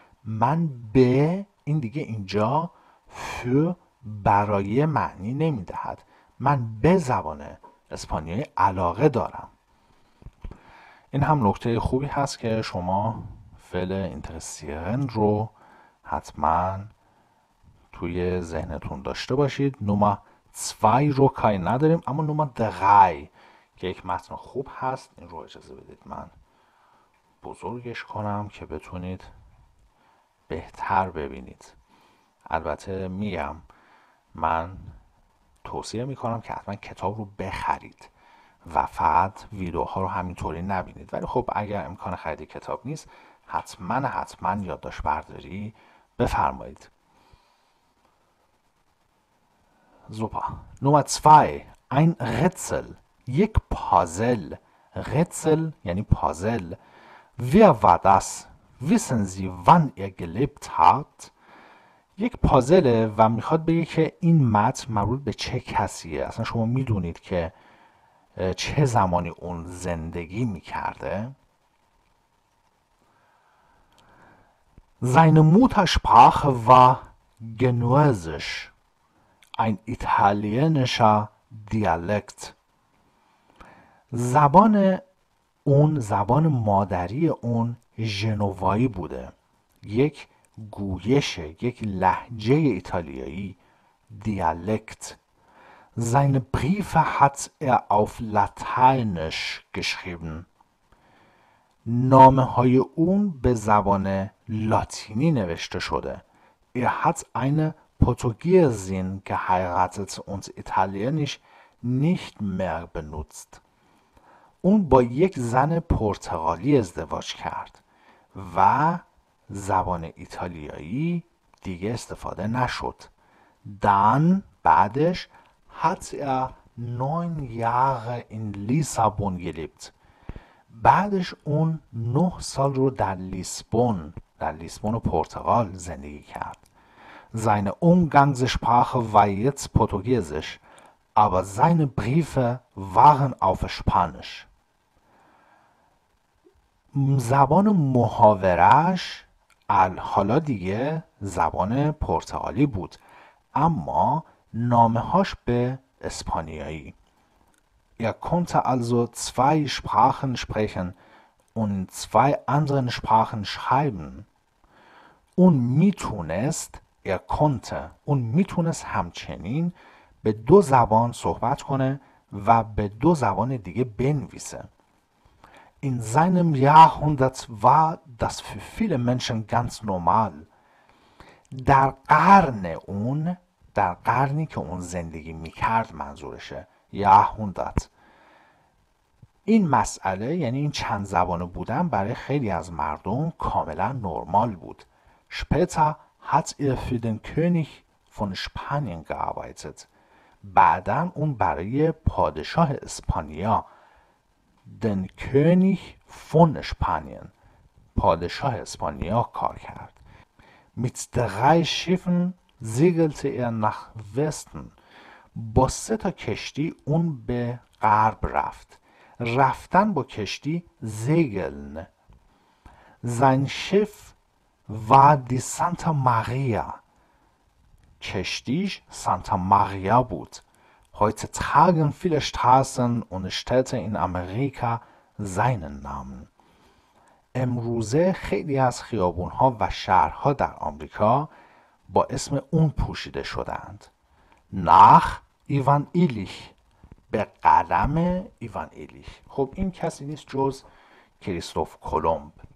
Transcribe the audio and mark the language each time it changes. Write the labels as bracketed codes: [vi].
[fa] من به این دیگه اینجا für برای معنی نمیدهد. من به زبان اسپانیایی علاقه دارم. این هم نکته خوبی هست که شما فعل interessieren رو حتما توی ذهنتون داشته باشید. نمره 2 رو کاری نداریم اما نمره 3 که یک متن خوب هست این رو اجازه بدید من بزرگش کنم که بتونید بهتر ببینید. البته میگم من توصیه میکنم که حتما کتاب رو بخرید و فقط ویدیوها رو همینطوری نبینید، ولی خب اگر امکان خرید کتاب نیست حتما حتما یادداشت برداری بفرمایید. زوپا نمبر 2 این رتسل، یک پازل. رتسل یعنی پازل. [de] Wer war das? Wissen Sie, wann er gelebt hat? [fa] یک پازله و میخواد بگه که این متن مربوط به چه کسیه؟ اصلا شما میدونید که چه زمانی اون زندگی میکرده؟ [de] Seine Muttersprache war Genuesisch, ein italienischer Dialekt. [fa] زبان اون، زبان مادری اون ژنوایی بوده، یک گویش، یک لهجه ایتالیایی، دیالکت. [de] Seine Briefe hat auf Lateinisch geschrieben. [fa] نامه های اون به زبان لاتینی نوشته شده. [de] hat eine Portugiesin geheiratet und Italienisch nicht mehr benutzt. [fa] اون با یک زن پرتغالی ازدواج کرد و زبان ایتالیایی دیگه استفاده نشد. دان بعدش [de] hat er 9 Jahre in Lissabon gelebt. [fa] بعدش اون 9 سال رو در لیسبون، در لیسبون و پرتغال زندگی کرد. [de] Seine Umgangssprache war jetzt Portugiesisch, aber seine Briefe waren auf Spanisch. [fa] زبان محاورش حالا دیگه زبان پرتغالی بود، اما نامه هاش به اسپانیایی. [de] Er konnte also zwei Sprachen sprechen und zwei anderen Sprachen schreiben. [fa] Und میتونست، [de] er konnte، [fa] اون میتونست همچنین به دو زبان صحبت کنه و به دو زبان دیگه بنویسه. [de] In seinem Jahrhundert war das für viele Menschen ganz normal. [fa] در قرن اون، در قرنی که اون زندگی میکرد منظورشه، Jahrhundert، این مسئله یعنی این چند زبانه بودن برای خیلی از مردم کاملا نرمال بود. [de] Später hat er für den König von Spanien gearbeitet. [fa] بعدا اون برای پادشاه اسپانیا، [de] den König von Spanien، [fa] پادشاه اسپانیا کار کرد. [de] Mit drei Schiffen segelte er nach Westen. [fa] با سه تا کشتی اون به غرب رفت. رفتن با کشتی زگلن. [de] Sein Schiff war die Santa Maria. [fa] کشتیش سانتا ماریا بود. [de] Heute tragen viele Straßen und Städte in Amerika seinen Namen. [fa] امروزه خیلی از خیابون‌ها و شهرها در آمریکا با اسم اون پوشیده شدند. نخ ایوان ایلیش، به قلم ایوان ایلیش. خب این کسی نیست جز کریستوف کولومب.